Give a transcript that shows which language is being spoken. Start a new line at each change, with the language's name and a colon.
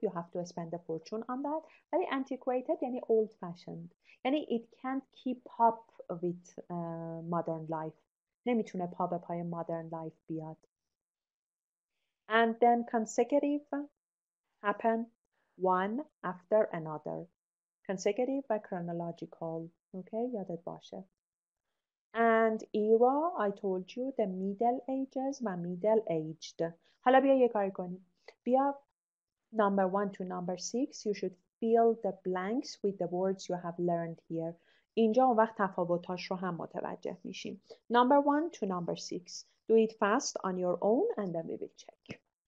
English: You have to spend a fortune on that. ولی antiquated یعنی old fashioned. یعنی it can't keep up with modern life.
Persian: نمیتونه پا به پای modern life بیاد.
English: And then consecutive happen one after another. Consecutive و chronological. Okay, یادت باشه. And era, I told you, the middle ages و middle aged.
Persian: حالا بیا یه کاری کنیم. بیا
English: number one to number six. You should fill the blanks with the words you have learned here. اینجا اون وقت تفاوتاش رو هم متوجه میشیم. Number one to number six. Do it fast on your own and then we will check.